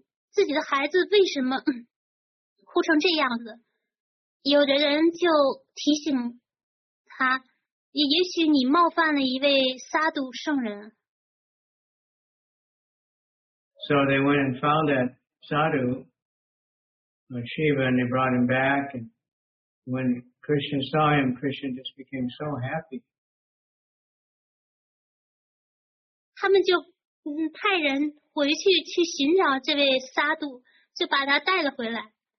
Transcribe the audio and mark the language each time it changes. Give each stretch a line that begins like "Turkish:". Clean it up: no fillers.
Chinese: 自己的孩子为什么哭成这样子，有的人就提醒他，也许你冒犯了一位萨杜圣人。
English: So they went and found that sadhu, Shiva, and they brought him back. And when Krishna saw him, Krishna just became so happy.
Chinese: 他们就派人回去寻找这位萨杜，就把他带了回来。